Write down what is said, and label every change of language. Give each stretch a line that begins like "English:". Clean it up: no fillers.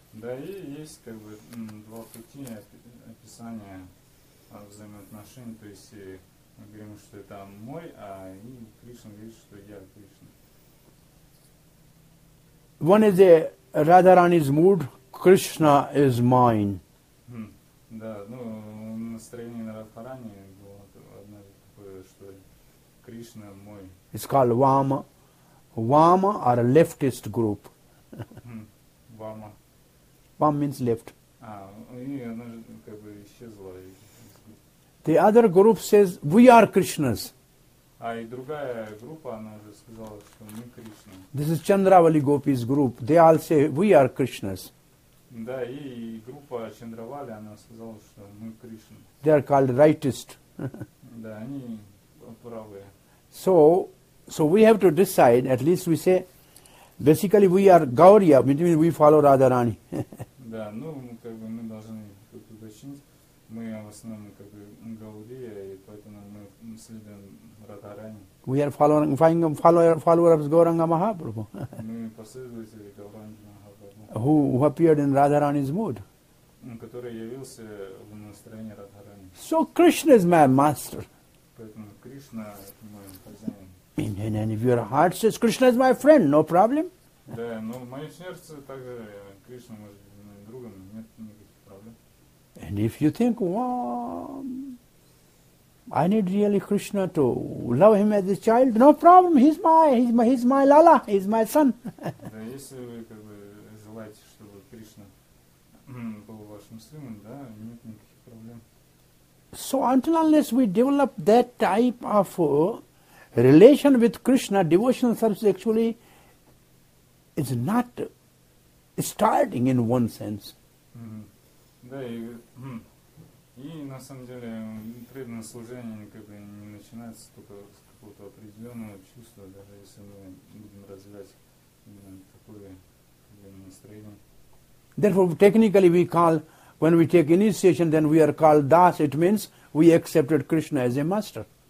Russian: Да, и есть как бы два пути описания взаимоотношений. То есть мы говорим, что это мой, а и Кришна говорит, что я Кришна.
English: One is a Radharani's mood. Krishna is mine.
Russian: Да, ну настроение на Радхарани было одно такое, что Кришна мой.
English: It's called Vama. Vama are leftist group. Vama. Vama means left.
Russian: А, и она же как бы исчезла.
English: The other group says we are Krishnas.
Russian: А и другая группа, она уже сказала, что мы Кришна.
English: This is Chandravali Gopi's group. They all say we are Krishnas.
Russian: Да, и группа Чандравали, она сказала, что мы Кришна.
English: They are called rightist.
Russian: Да, они правые.
English: So we have to decide, at least we say, basically we are Gauriya, which means we follow Radharani.
Russian: Да, ну, как бы мы должны тут уточнить, мы в основном как бы Гаурия, и поэтому мы следуем Радхарани.
English: We are followers of Gauranga Mahaprabhu.
Russian: Мы последователи Гауранги Mahaprabhu.
English: Who appeared in Radharani's mood.
Russian: Который явился в настроении Радхарани.
English: So Krishna is my master.
Russian: Поэтому Кришна это мой хозяин.
English: And if your heart says Krishna is my friend, no problem.
Russian: Да, но в моем сердце также Кришна может быть моим другом, нет никаких проблем.
English: And if you think, well, I need really Krishna to love him as a child, no problem, he's my Lala, he's my son.
Russian: Да, если вы как бы желаете, чтобы Кришна был вашим сыном, да, нет никаких проблем.
English: So until unless we develop that type of relation with Krishna, devotional service actually is not starting in one sense.
Russian: Да, и на самом деле преданное служение никогда не начинается только с какого-то определенного чувства, даже если мы будем развивать такое настроение.
English: Therefore, technically we call, when we take initiation, then we are called Das. It means we accepted Krishna as a master.